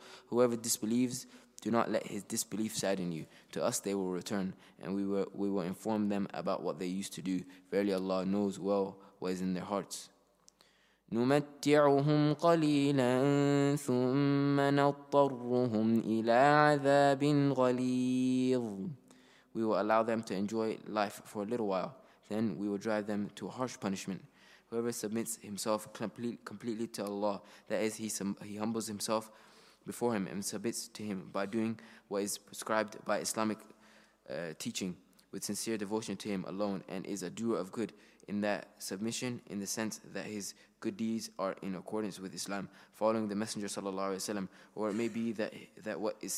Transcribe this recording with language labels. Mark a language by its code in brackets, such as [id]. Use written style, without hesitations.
[en] Whoever disbelieves, do not let his disbelief sadden you. To us they will return, and we will inform them about what they used to do. Verily Allah knows well what is in their hearts. [ar] نمتعهم قليلا ثم نضطرهم إلى عذاب غليظ. [en] We will allow them to enjoy life for a little while, then we will drive them to a harsh punishment. Whoever submits himself completely to Allah, that is, he humbles himself before Him and submits to Him by doing what is prescribed by Islamic teaching with sincere devotion to Him alone and is a doer of good in that submission in the sense that his good deeds are in accordance with Islam, following the Messenger sallallahu alaihi wasallam, or it may be that what